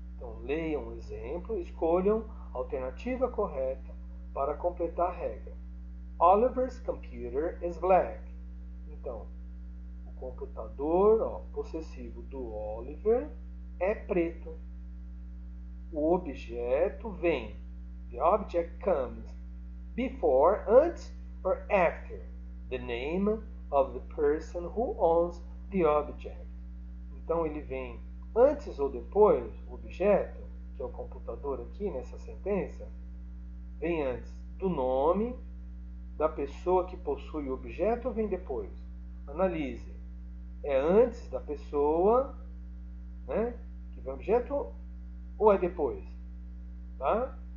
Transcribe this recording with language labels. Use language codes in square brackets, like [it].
[pt] Então, leiam o exemplo, escolham a alternativa correta para completar a regra. [en] Oliver's computer is black. [pt] Então, o computador, ó, possessivo do Oliver é preto. O objeto vem. [en] The object comes before, antes, or after the name of the person who owns the object. [pt] Então, ele vem antes ou depois, o objeto, que é o computador aqui nessa sentença, vem antes do nome da pessoa que possui o objeto ou vem depois? Analise. É antes da pessoa, né, que vem o objeto ou é depois? Tá?